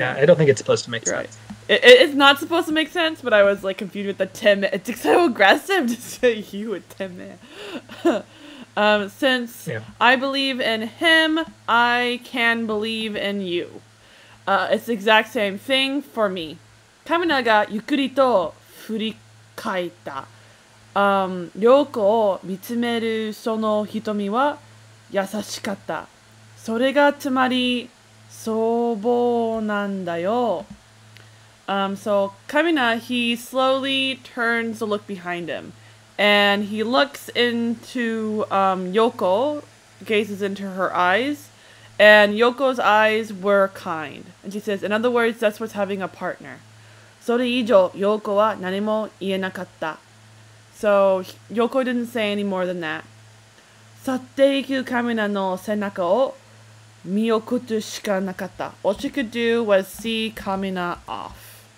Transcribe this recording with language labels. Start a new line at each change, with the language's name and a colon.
English: Yeah, I don't think it's supposed to make sense. Right. It's not supposed to make sense, but I was, like, confused with the teme. It's so aggressive to say you a teme. Since I believe in him, I can believe in you. It's the exact same thing for me.
Japanese: カミナがゆっくりと振り返った。陽子を見つめるその瞳は優しかった。それがつまり相棒なんだよ。
English: So カミナ, he slowly turns to look behind him. And he looks into Yoko, gazes into her eyes, and Yoko's eyes were kind. And she says, in other words, that's what's having a partner.
Japanese: それ以上、Yoko は何も言えなかった。
English: So, Yoko didn't say any more than that.
Japanese: 去っていくカミナの背中を見送るしかなかった。
English: All she could do was see カミナ off.